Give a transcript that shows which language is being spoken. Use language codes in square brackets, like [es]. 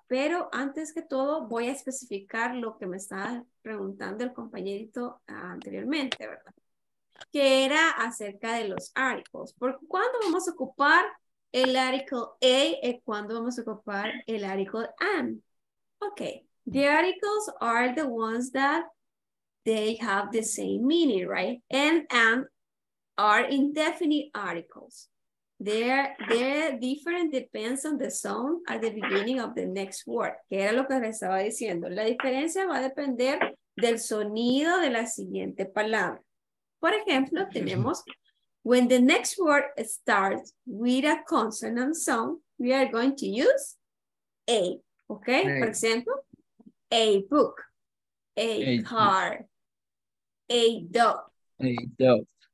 [es] Pero antes que todo, voy a especificar lo que me estaba preguntando el compañerito anteriormente, ¿verdad? Que era acerca de los articles. ¿Por cuándo vamos a ocupar el article A y cuándo vamos a ocupar el article an? Okay. [en] The articles are the ones that they have the same meaning, right? And are indefinite articles. They're different, depends on the sound at the beginning of the next word. [es] Que era lo que les estaba diciendo. La diferencia va a depender del sonido de la siguiente palabra. Por ejemplo, tenemos, [en] when the next word starts with a consonant sound, we are going to use A. Okay? A. [es] Por ejemplo, [en] a book, a car, a dog.